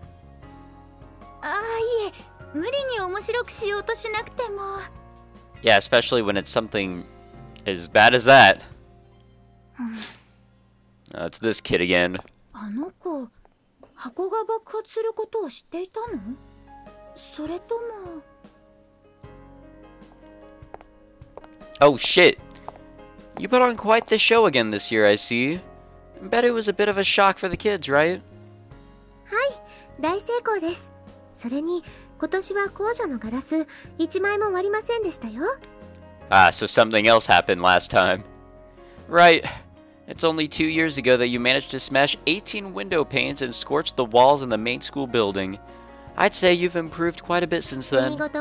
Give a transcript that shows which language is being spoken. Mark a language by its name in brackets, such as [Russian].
[Japanese] いつも子供たちに教えている調子でこんな話を。いいえ。つまらない話でしたね。では、何か面白いお話を。ある日、爆弾を解除中の爆弾処理班の班長がドライバーをよこせと言った時、隣の助手がゴルフの一番ウッドを手渡したというジョークが。ああ、いいえ。 [English] Yeah, especially when it's something as bad as that. Oh, it's this kid again. Oh shit! You put on quite the show again this year, I see. Bet it was a bit of a shock for the kids, right? [Japanese] Hi,大成功です。それに。今年は校舎のガラス、1枚も割りませんでしたよ。 [English] Ah, so something else happened last time. Right. It's only 2 years ago that you managed to smash 18 window panes and scorch the walls in the main school building. I'd say you've improved quite a bit since then.